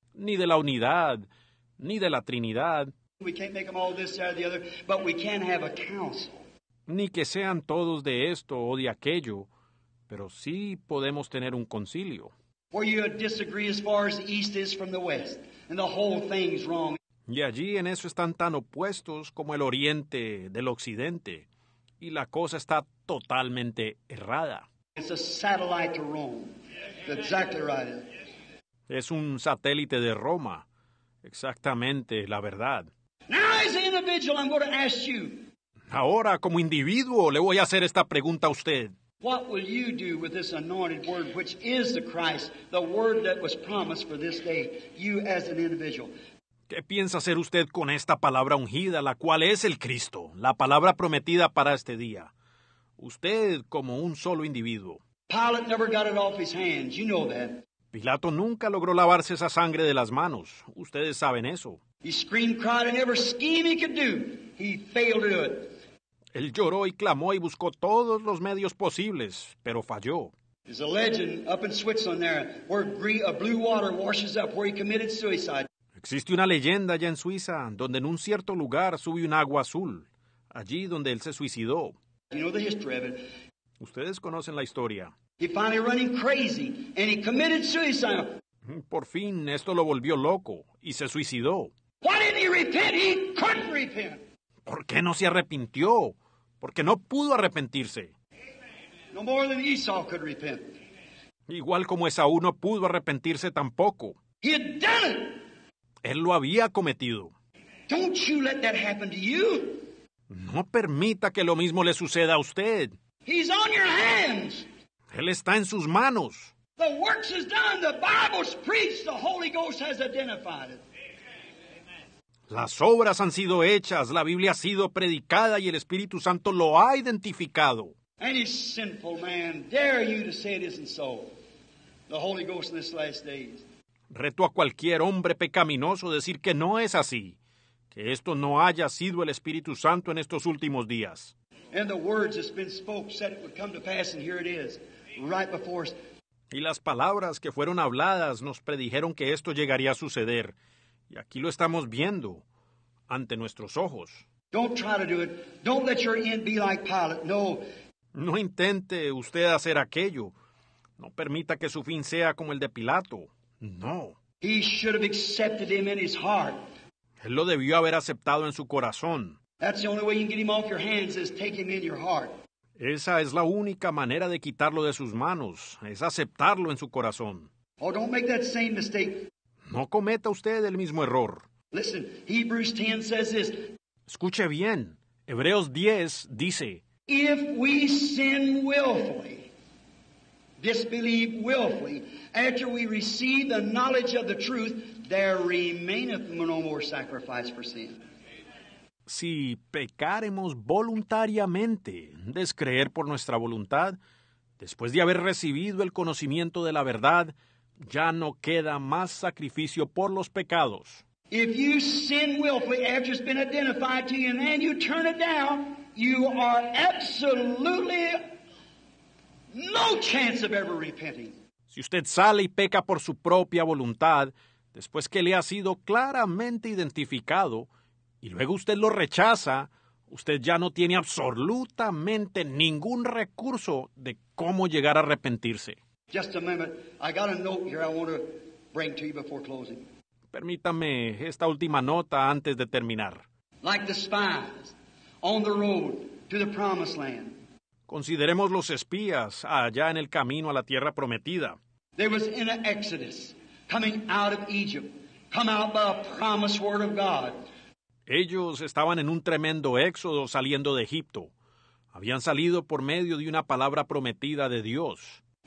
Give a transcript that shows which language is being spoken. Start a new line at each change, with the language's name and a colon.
Spanish: Ni de la unidad, ni de la Trinidad.
English: We can't make them all this side or the other, but we can have a council.
Spanish: Ni que sean todos de esto o de aquello, pero sí podemos tener un concilio.
English: Where you disagree as far as the East is from the West. And the whole thing's wrong.
Spanish: Y allí en eso están tan opuestos como el oriente del occidente. Y la cosa está totalmente errada.
English: It's a satellite to Rome. That's exactly right.
Spanish: Es un satélite de Roma. Exactamente la verdad.
English: Now as an individual, I'm going to ask you.
Spanish: Ahora como individuo le voy a hacer esta pregunta a usted.
English: What will you do with this anointed word, which is the Christ, the word that was promised for this day, you as an individual?
Spanish: ¿Qué piensa hacer usted con esta palabra ungida, la cual es el Cristo, la palabra prometida para este día? Usted como un solo individuo.
English: Pilate never got it off his hands, you know that.
Spanish: Pilato nunca logró lavarse esa sangre de las manos. Ustedes saben eso.
English: He screamed, cried, and every scheme he could do, he failed to do it.
Spanish: Él lloró y clamó y buscó todos los medios posibles, pero falló.
English: There's a legend up in Switzerland there where blue water washes up where he committed suicide.
Spanish: Existe una leyenda allá en Suiza donde en un cierto lugar sube un agua azul, allí donde él se suicidó.
English: You know the history of it.
Spanish: Ustedes conocen la historia.
English: He finally ran crazy and he committed suicide.
Spanish: Por fin esto lo volvió loco y se suicidó.
English: Why didn't he repent? He couldn't repent.
Spanish: ¿Por qué no se arrepintió? Porque no pudo arrepentirse.
English: No more than Esau could repent.
Spanish: Igual como Esaú no pudo arrepentirse tampoco.
English: He had done it.
Spanish: Él lo había cometido.
English: Don't you let that happen to you.
Spanish: No permita que lo mismo le suceda a usted.
English: He's on your hands.
Spanish: Él está en sus manos.
English: The works is done. The Bible's preached. The Holy Ghost has identified it.
Spanish: Las obras han sido hechas, la Biblia ha sido predicada y el Espíritu Santo lo ha identificado.
English: Any sinful man dare you to say it isn't so. The Holy Ghost in this last days.
Spanish: Reto a cualquier hombre pecaminoso decir que no es así, que esto no haya sido el Espíritu Santo en estos últimos días.
English: And the words that's been spoke said it would come to pass, and here it is, right before us.
Spanish: Y las palabras que fueron habladas nos predijeron que esto llegaría a suceder. Y aquí lo estamos viendo, ante nuestros ojos.
English: Don't try to do it. Don't let your end be like Pilate.
Spanish: No. No intente usted hacer aquello. No permita que su fin sea como el de Pilato. No.
English: He should have accepted him in his heart.
Spanish: Él lo debió haber aceptado en su corazón.
English: That's the only way you can get him off your hands is take him in your heart.
Spanish: Esa es la única manera de quitarlo de sus manos, es aceptarlo en su corazón.
English: Oh, don't make that same mistake.
Spanish: No cometa usted el mismo error.
English: Listen, Hebrews 10 says this.
Spanish: Escuche bien, Hebreos 10 dice,
English: if we sin willfully, disbelieve willfully, after we receive the knowledge of the truth, there remaineth no more sacrifice for sin.
Spanish: Si pecáremos voluntariamente, descreer por nuestra voluntad, después de haber recibido el conocimiento de la verdad, ya no queda más sacrificio por los pecados.
English: If you sin willfully after it's been identified to you and then you turn it down, you are absolutely no chance of ever repenting.
Spanish: Si usted sale y peca por su propia voluntad, después que le ha sido claramente identificado, y luego usted lo rechaza, usted ya no tiene absolutamente ningún recurso de cómo llegar a arrepentirse.
English: Just a moment. I got a note here I want to bring to you before closing.
Spanish: Permítame esta última nota antes de terminar.
English: Like the spies on the road to the promised land.
Spanish: Consideremos los espías allá en el camino a la tierra prometida.
English: There was in an exodus coming out of Egypt, come out by a promised word of God.
Spanish: Ellos estaban en un tremendo éxodo saliendo de Egipto. Habían salido por medio de una palabra prometida de Dios.